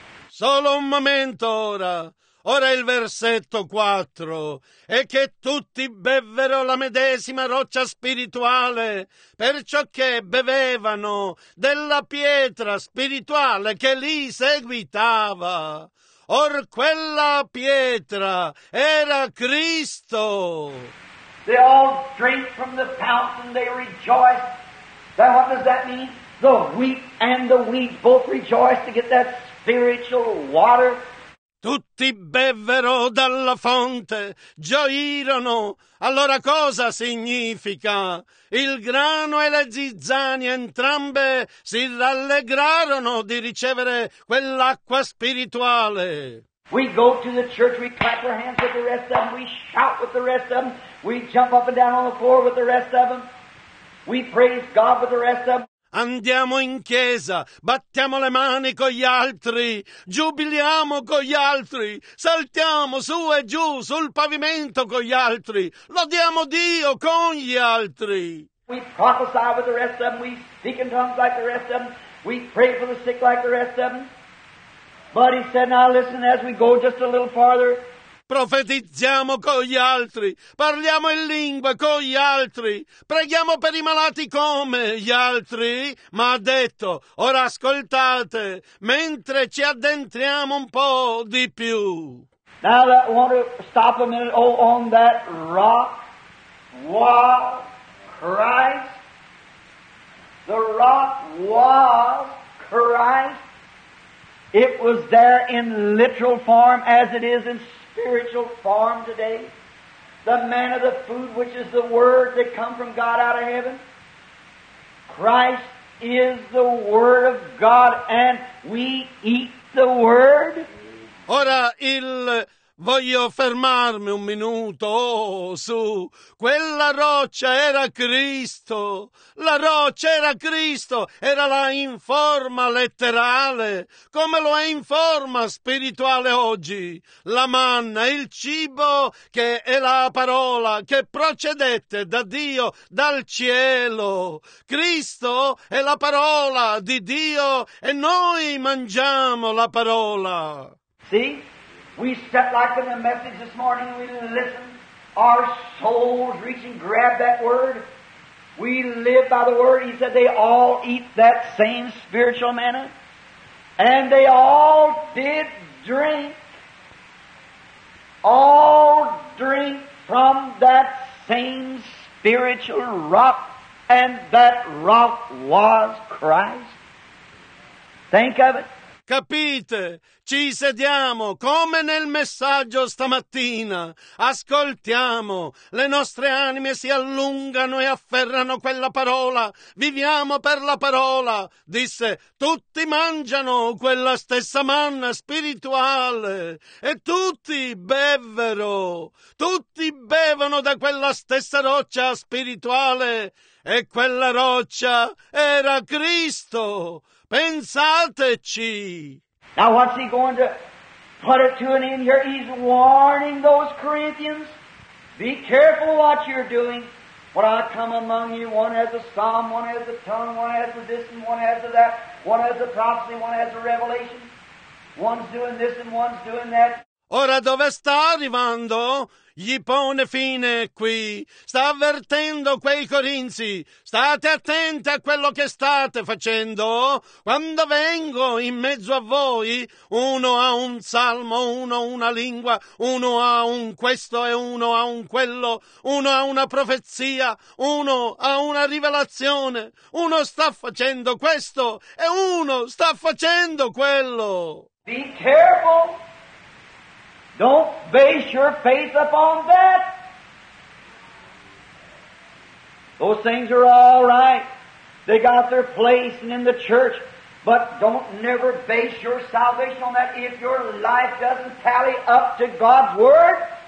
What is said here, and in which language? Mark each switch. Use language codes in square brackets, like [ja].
[it] Solo un momento ora. Ora il versetto 4. E che tutti bevvero la medesima roccia spirituale, perciò che bevevano della pietra spirituale che li seguitava. Or quella pietra era Cristo. [en] They all drink from the fountain, they rejoice. Now, what does that mean? The weak and the weak both rejoice to get that spiritual water. [it] Tutti bevvero dalla fonte, gioirono. Allora cosa significa? Il grano e la zizzania entrambe si rallegrarono di ricevere quell'acqua spirituale. [en] We go to the church, we clap our hands with the rest of them, we shout with the rest of them, we jump up and down on the floor with the rest of them, we praise God with the rest of them. [it] Andiamo in chiesa, battiamo le mani con gli altri, giubiliamo con gli altri, saltiamo su e giù sul pavimento con gli altri, lodiamo Dio con gli altri. [en] We prophesy with the rest of them, we speak in tongues like the rest of them, we pray for the sick like the rest of them. But he said, now listen, as we go just a little farther. [it] Profetizziamo con gli altri, parliamo in lingua con gli altri, preghiamo per i malati come gli altri. Ma ha detto, ora ascoltate, mentre ci addentriamo un po' di più. [en] Now I want to stop a minute. Oh, on that rock was Christ. The rock was Christ. It was there in literal form as it is in spiritual form today. The manna, the food which is the word that come from God out of heaven. Christ is the word of God and we eat the word. [it] Ora il Voglio fermarmi un minuto, oh, su. Quella roccia era Cristo. La roccia era Cristo. Era là in forma letterale. Come lo è in forma spirituale oggi. La manna, il cibo, che è la parola, che procedette da Dio, dal cielo. Cristo è la parola di Dio e noi mangiamo la parola. Sì? [en] We sat like in the message this morning, we listened, our souls reach and grab that word. We live by the word. He said they all eat that same spiritual manna. And they all did drink. All drink from that same spiritual rock. And that rock was Christ. Think of it. [it] Capite? Ci sediamo come nel messaggio stamattina, ascoltiamo, le nostre anime si allungano e afferrano quella parola, viviamo per la parola, disse, tutti mangiano quella stessa manna spirituale e tutti bevvero, tutti bevono da quella stessa roccia spirituale e quella roccia era Cristo, pensateci! [en] Now what's he going to put it to an end here? He's warning those Corinthians. Be careful what you're doing. When I come among you, one has a psalm, one has a tongue, one has a this and one has a that, one has a prophecy, one has a revelation. One's doing this and one's doing that. [it] Ora dove sta arrivando? Gli pone fine qui, sta avvertendo quei corinzi, state attenti a quello che state facendo, quando vengo in mezzo a voi, uno ha un salmo, uno una lingua, uno ha un questo e uno ha un quello, uno ha una profezia, uno ha una rivelazione, uno sta facendo questo e uno sta facendo quello. [en] Be careful! Don't base your faith upon that. Those things are all right. They got their place and in the church. But don't never base your salvation on that if your life doesn't tally up to God's Word.